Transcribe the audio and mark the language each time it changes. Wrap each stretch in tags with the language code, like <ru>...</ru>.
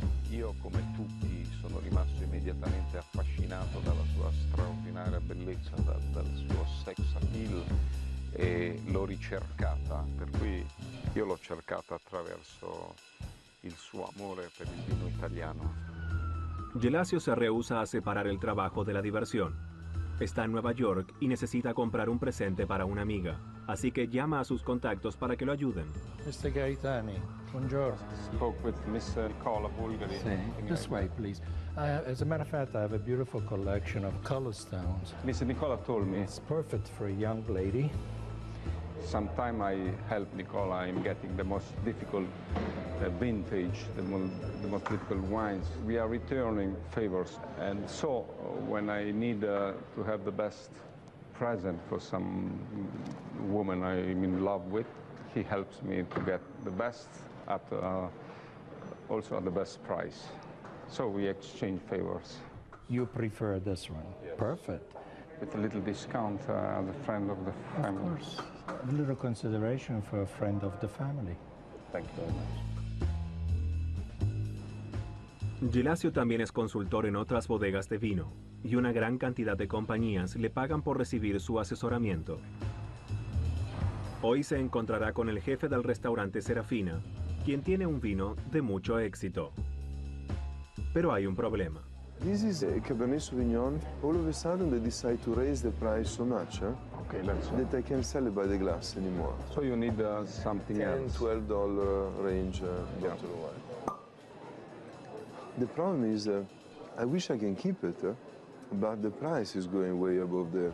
<es>Yo, como todos,</es> <it>sono rimasto inmediatamente affascinato dalla sua straordinaria bellezza, dal suo sex appeal, e l'ho ricercata. Per cui io l'ho cercata attraverso il suo amore per il vino italiano.</it> <es>Gelasio se rehúsa a separar el trabajo de la diversión. Está en Nueva York y necesita comprar un presente para una amiga, así que llama a sus contactos para que lo ayuden.</es> <it>Mr. Gaetani, buongiorno.</it> <en>Spoke with Mr. Nicola Bulgari. Sí. This way, please. As a matter of fact, I have a beautiful collection of color stones. Mr. Nicola told me it's perfect for a young lady. Sometime I help Nicola in getting the most difficult vintage, the most difficult wines. We are returning favors, and so when I need to have the best present for some woman I'm in love with, he helps me to get the best at also at the best price. So we exchange favors. You prefer this one? Yes. Perfect. With a little discount, the friend of the family. Of course. A little consideration for a friend of the family. Thank you very much.</en> <es>Gelasio también es consultor en otras bodegas de vino, y una gran cantidad de compañías le pagan por recibir su asesoramiento. Hoy se encontrará con el jefe del restaurante Serafina, quien tiene un vino de mucho éxito. Pero hay un problema.</es> <en>This is a Cabernet Sauvignon. All of a sudden they decide to raise the price so much, that I can't sell it by the glass anymore. So you need something else. $10-$12 range bottle of wine. The problem is, I wish I can keep it, but the price is going way above there.</en>